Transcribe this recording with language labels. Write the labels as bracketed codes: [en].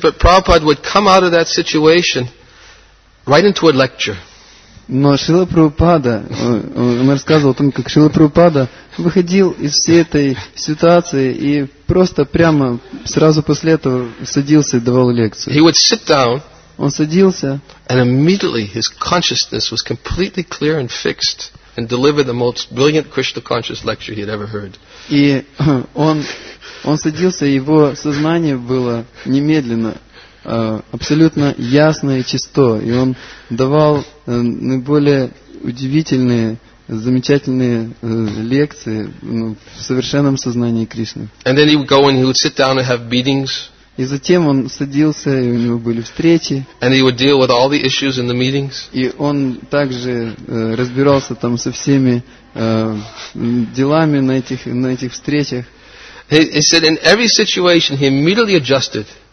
[en] He said, but Prabhupada would come out of that situation right into a lecture. [ru] Но Шрила Прабхупада, он рассказывал о том, как Шрила Прабхупада выходил из всей этой ситуации и просто прямо сразу после этого садился и давал лекцию. [en] He would sit down, [ru] он садился, [en] and immediately his consciousness was completely clear and fixed and delivered the most brilliant Krishna conscious lecture he had ever heard. [ru] И он садился, и его сознание было немедленно абсолютно ясно и чисто, и он давал наиболее удивительные, замечательные лекции в совершенном сознании Кришны. [en] And then he would go and he would sit down and have meetings. [ru] И затем он садился, и у него были встречи. [en] And he would deal with all the issues in the meetings. [ru] И он также разбирался там со всеми делами на этих встречах. [en] He said in every situation he immediately adjusted.